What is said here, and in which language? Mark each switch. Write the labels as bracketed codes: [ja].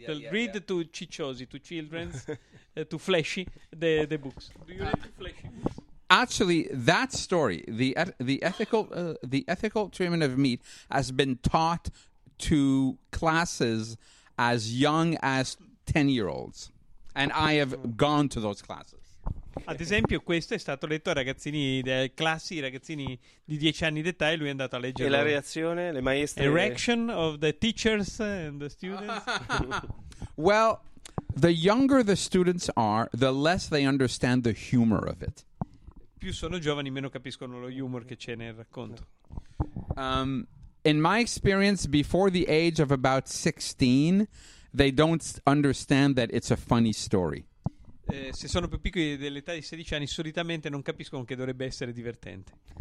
[en] Read to cicciosi, to children, to flashy the books. Do you read the flashy books? Actually, that story, the ethical treatment of meat has been taught to classes as young as 10-year-olds. And I have gone to those classes. [it] Ad esempio, questo è stato letto ai ragazzini delle classi, ragazzini di 10 anni d'età, e lui è andato a leggere. E la reazione, le maestre. [en] Reaction of the teachers and the students. Well, the younger the students are, the less they understand the humor of it. [it] Più sono giovani, meno capiscono lo humor che c'è nel racconto. [en] In my experience, before the age of about 16. They don't understand that it's a funny story. [it] Se sono più piccoli dell'età di 16 anni, solitamente non capiscono che dovrebbe essere divertente.